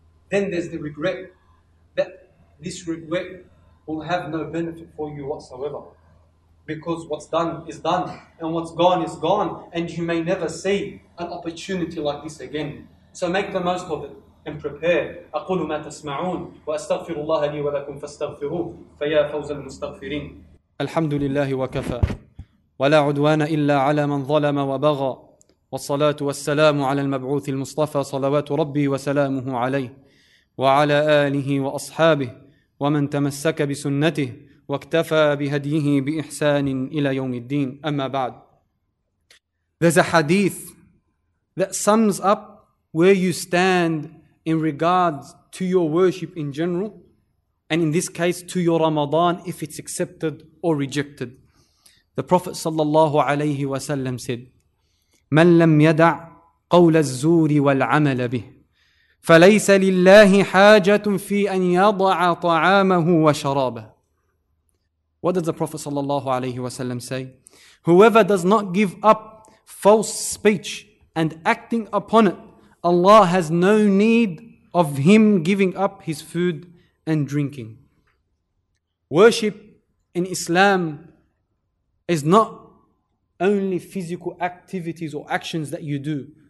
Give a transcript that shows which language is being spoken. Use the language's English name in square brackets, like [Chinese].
[English] Then there's the regret, that this regret will have no benefit for you whatsoever. Because what's done is done, and what's gone is gone, and you may never see an opportunity like this again. So make the most of it and prepare. [Arabic] أقول ما تسمعون وأستغفر الله لي ولكم فاستغفروه فيا فوز المستغفرين. الحمد لله وكفى ولا عدوان إلا على من ظلم وبغى، والصلاة والسلام على المبعوث المصطفى صلوات ربي وسلامه عليه وعلى آله وأصحابه ومن تمسك بسنته واكتفى بهديه بإحسان إلى يوم الدين. أما بعد، [English] there's a hadith that sums up where you stand in regards to your worship in general, and in this case to your Ramadan, if it's accepted or rejected. The Prophet sallallahu alayhi wa sallam said, [Arabic] من لم يدع قول الزور والعمل به فليس لله حاجة في أن يضع طعامه وشرابه. [English] What does the Prophet sallallahu alayhi wa sallam say? Whoever does not give up false speech and acting upon it, Allah has no need of him giving up his food and drinking. Worship in Islam is not only physical activities or actions that you do.